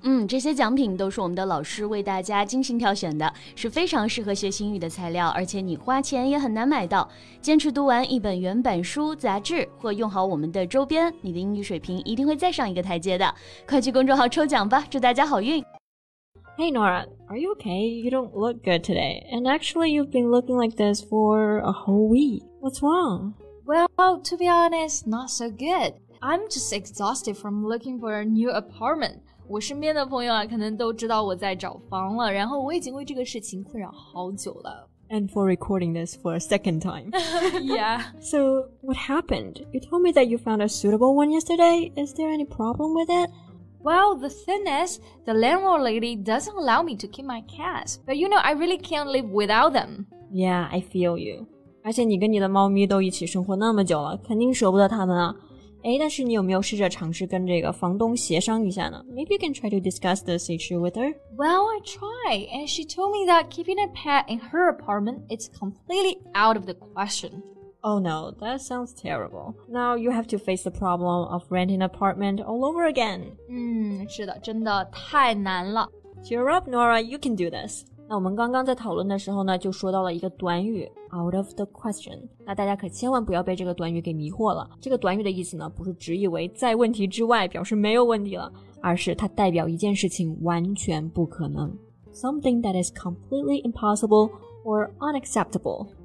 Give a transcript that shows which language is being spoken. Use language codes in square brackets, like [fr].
[zh] 嗯，这些奖品都是我们的老师为大家精心挑选的，是非常适合学英语的材料，而且你花钱也很难买到。坚持读完一本原版书、杂志或用好我们的周边，你的英语水平一定会再上一个台阶的。快去公众号抽奖吧，祝大家好运。 [en] Hey Nora, are you okay? You don't look good today. And actually, you've been looking like this for a whole week. What's wrong? Well, to be honest, not so good. I'm just exhausted from looking for a new apartment. [zh] 我身边的朋友啊，可能都知道我在找房了，然后我已经为这个事情困扰好久了。 [en] And for recording this for a second time. Yeah. So, what happened? You told me that you found a suitable one yesterday. Is there any problem with it? Well, the thing is, the landlord lady doesn't allow me to keep my cats. But you know, I really can't live without them. Yeah, I feel you. [zh] 而且你跟你的猫咪都一起生活那么久了，肯定舍不得它们啊。哎，但是你有没有试着尝试跟这个房东协商一下呢？ [en] Maybe you can try to discuss this issue with her. Well, I try, and she told me that keeping a pet in her apartment is completely out of the question. Oh no, that sounds terrible. Now you have to face the problem of renting an apartment all over again. [zh] 嗯，是的，真的太难了。 [en] Cheer up, Nora, you can do this. [zh] 那我们刚刚在讨论的时候呢，就说到了一个短语 [en] out of the question。 [zh] 那大家可千万不要被这个短语给迷惑了。这个短语的意思呢，不是直译为在问题之外，表示没有问题了，而是它代表一件事情完全不可能 ， [en] something that is completely impossible or unacceptable。